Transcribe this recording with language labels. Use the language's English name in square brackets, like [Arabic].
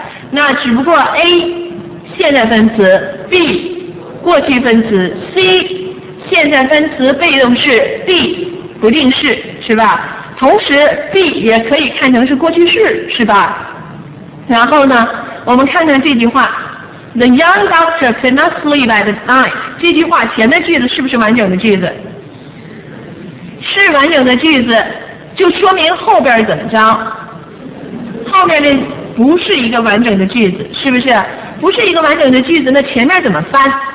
[Chinese] 那只不过 A 现在分词， B 过去分词， C 现在分词被动式， D 不定式，是吧？同时 B 也可以看成是过去式，是吧？然后呢，我们看看这句话， [English] The young doctor could not sleep at night. [Chinese] 这句话前面句子是不是完整的句子？是完整的句子，就说明后边怎么着？后面的不是一个完整的句子，是不是？不是一个完整的句子，那前面怎么翻？